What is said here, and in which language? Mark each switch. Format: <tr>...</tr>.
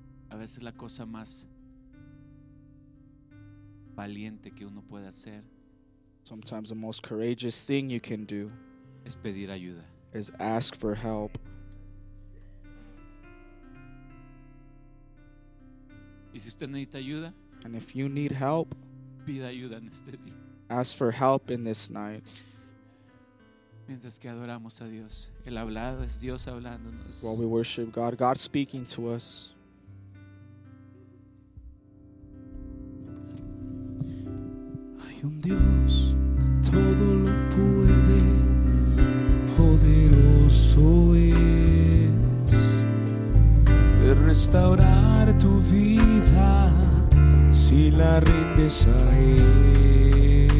<es>A veces la cosa más valiente que uno puede hacer.</es> <en>Sometimes the most courageous thing you can do</en> <es>es pedir ayuda.</es> <en>Is ask for help.</en> <es>Y si usted necesita ayuda,</es> <en>and if you need help,</en> <es>pida ayuda en este día.</es> <en>Ask for help in this night.</en> <es>Mientras que adoramos a Dios, el hablado es Dios hablándonos.</es> <en>While we worship God, God speaking to us.</en> <es>Hay un Dios que todo lo puede, poderoso es de restaurar tu vida si la rindes a Él.</es>